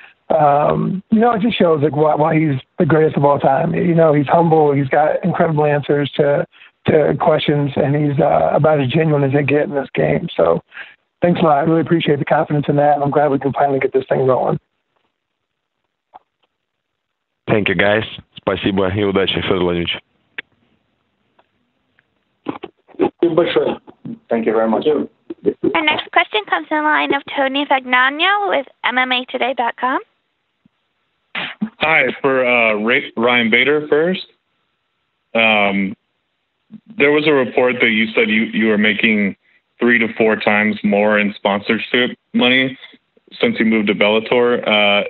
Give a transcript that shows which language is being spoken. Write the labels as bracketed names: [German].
[English] You know, it just shows like why he's the greatest of all time. You know, he's humble. He's got incredible answers to questions, and he's about as genuine as they get in this game. So thanks a lot. I really appreciate the confidence in that, and I'm glad we can finally get this thing rolling. Thank you, guys. [Russian] Спасибо и удачи, Федор Владимирович. [English] Thank you very much. Our next question comes in the line of Tony Fagnano with MMAToday.com. Hi, for Ryan Bader first. There was a report that you said you were making 3 to 4 times more in sponsorship money since you moved to Bellator.